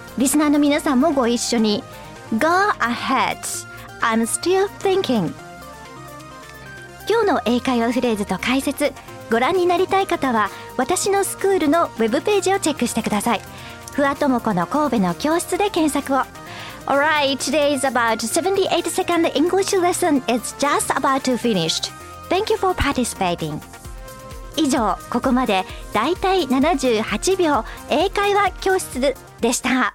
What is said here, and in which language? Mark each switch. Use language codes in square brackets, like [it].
[ja] リスナーの皆さんもご一緒に [en] Go ahead, I'm still thinking。 [ja] 今日の英会話フレーズと解説、ご覧になりたい方は私のスクールのウェブページをチェックしてください。ふわともこの神戸の教室で検索を。 [en] Alright, today is about 78 second English lesson. It's just about to finish. Thank you for participating. [ja] 以上、ここまでだいたい78秒英会話教室でした。